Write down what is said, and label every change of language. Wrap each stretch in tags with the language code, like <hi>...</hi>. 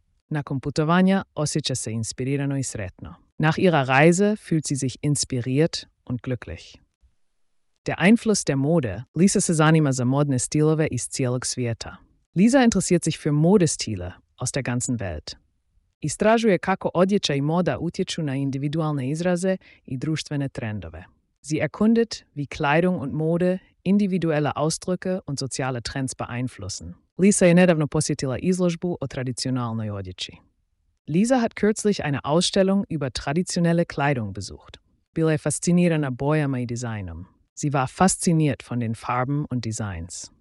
<hr>Nakon putovanja osjeća se inspirirano i sretno.</hr> <de>Nach ihrer Reise fühlt sie sich inspiriert und glücklich. Der Einfluss der Mode.</de> <hr>Lisa se zanima za modne stilove iz cijelog svijeta.</hr> <de>Lisa interessiert sich für Modestile aus der ganzen Welt.</de> <hr>Istražuje kako odjeća i moda utječu na individualne izraze i društvene trendove.</hr> <de>Sie erkundet, wie Kleidung und Mode individuelle Ausdrücke und soziale Trends beeinflussen.</de> <hr>Lisa je nedavno posjetila izložbu o tradicionalnoj odjeći.</hr> <de>Lisa hat kürzlich eine Ausstellung über traditionelle Kleidung besucht.</de> <hr>Bila je fascinirana bojama i dizajnom.</hr> <de>Sie war fasziniert von den Farben und Designs.</de>